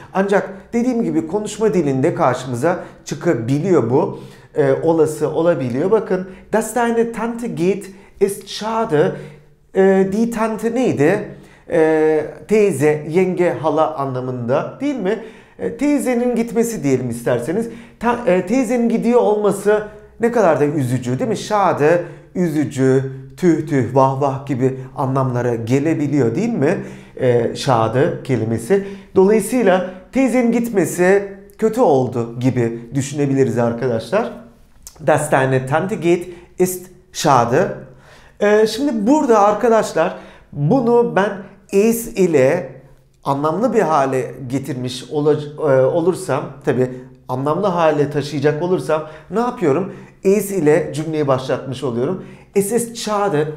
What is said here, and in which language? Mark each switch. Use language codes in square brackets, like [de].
[tr] Ancak dediğim gibi konuşma dilinde karşımıza çıkabiliyor bu. Olası olabiliyor. Bakın, [de] das deine Tante geht ist schade. Die Tante [tr] neydi? Teyze, yenge, hala anlamında, değil mi? Teyzenin gitmesi diyelim isterseniz. Teyzenin gidiyor olması ne kadar da üzücü, değil mi? Schade, üzücü, tüh tüh, vah vah gibi anlamlara gelebiliyor, değil mi? Schade kelimesi. Dolayısıyla teyzenin gitmesi kötü oldu gibi düşünebiliriz arkadaşlar. [de] Das deine Tante geht ist schade. [tr] Şimdi burada arkadaşlar bunu ben is ile anlamlı bir hale getirmiş olursam, tabi anlamlı hale taşıyacak olursam ne yapıyorum? Is ile cümleyi başlatmış oluyorum. [de] Es ist schade.